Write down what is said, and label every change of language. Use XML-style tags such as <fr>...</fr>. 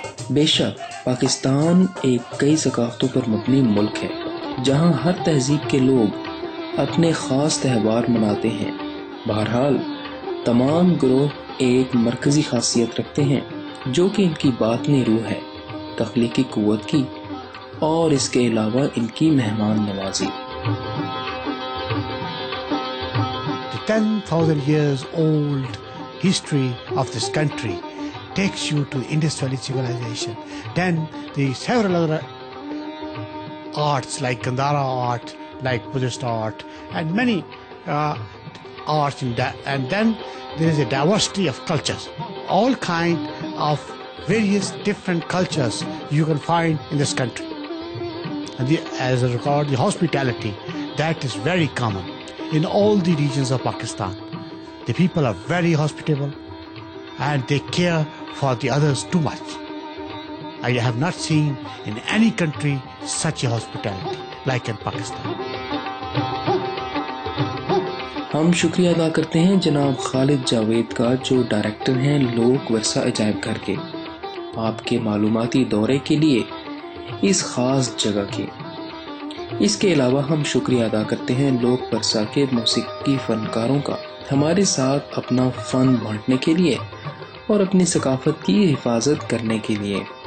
<ur>بے شک پاکستان ایک کئی ثقافتوں پر مبنی ملک ہے، جہاں ہر تہذیب کے لوگ اپنے خاص تہوار مناتے ہیں. بہرحال تمام گروہ ایک مرکزی خاصیت رکھتے ہیں جو کہ ان کی باطنی روح ہے، تخلیقی قوت کی، اور اس کے علاوہ ان کی مہمان نوازی.</ur> <en>10,000 years old history of this country takes you to industrial civilization. Then the several other arts like Gandhara art, like Buddhist art, and many arts in that. And then there is a diversity of cultures, all kind of various different cultures you can find in this country. And the, as regard the hospitality, that is very common in all the regions of Pakistan. The people are very hospitable and they care for the others too much. I have not seen in any country such a hospitality like in Pakistan.</en> <ur>ہم شکریہ ادا کرتے ہیں جناب خالد جاوید کا، جو director ہیں لوک ورثہ عجائب گھر کے، آپ کے معلوماتی دورے کے لیے اس خاص جگہ کے. اس کے علاوہ ہم شکریہ ادا کرتے ہیں لوک ورثہ کے موسیقی فنکاروں کا ہمارے ساتھ اپنا فن بانٹنے کے لیے اور اپنی ثقافت کی حفاظت کرنے کے لیے.</ur>